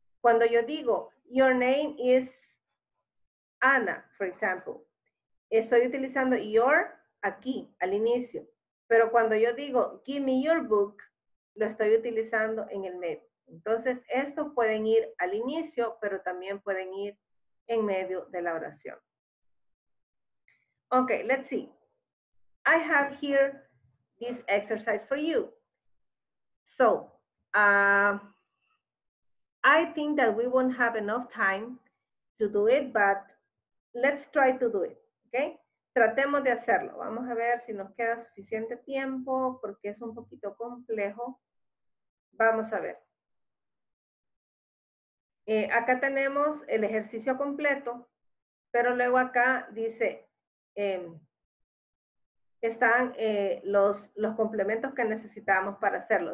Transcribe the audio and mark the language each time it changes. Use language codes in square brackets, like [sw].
[es] Cuando yo digo, [en] your name is Anna, for example, [es] estoy utilizando your aquí, al inicio. Pero cuando yo digo, [en] give me your book, [es] lo estoy utilizando en el medio. Entonces, estos pueden ir al inicio, pero también pueden ir en medio de la oración. [en] Okay, let's see. I have here this exercise for you. So, I think that we won't have enough time to do it, but let's try to do it, okay? [es] Tratemos de hacerlo. Vamos a ver si nos queda suficiente tiempo porque es un poquito complejo. Vamos a ver. Acá tenemos el ejercicio completo, pero luego acá dice, están los complementos que necesitamos para hacerlo.